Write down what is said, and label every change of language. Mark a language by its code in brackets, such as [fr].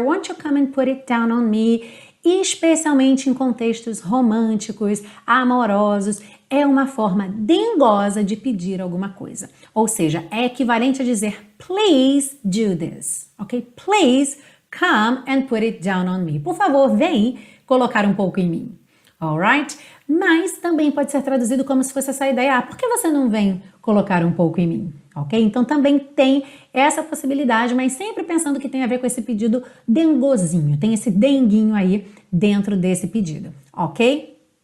[en] Won't you come and put it down on me? [pt] Especialmente em contextos românticos, amorosos, é uma forma dengosa de pedir alguma coisa. Ou seja, é equivalente a dizer [en] please do this, [pt] ok? [en] Please come and put it down on me. [pt] Por favor, vem colocar um pouco em mim. [en] Alright? [pt] Mas também pode ser traduzido como se fosse essa ideia, ah, por que você não vem colocar um pouco em mim? Ok? Então também tem essa possibilidade, mas sempre pensando que tem a ver com esse pedido dengozinho, tem esse denguinho aí dentro desse pedido, ok?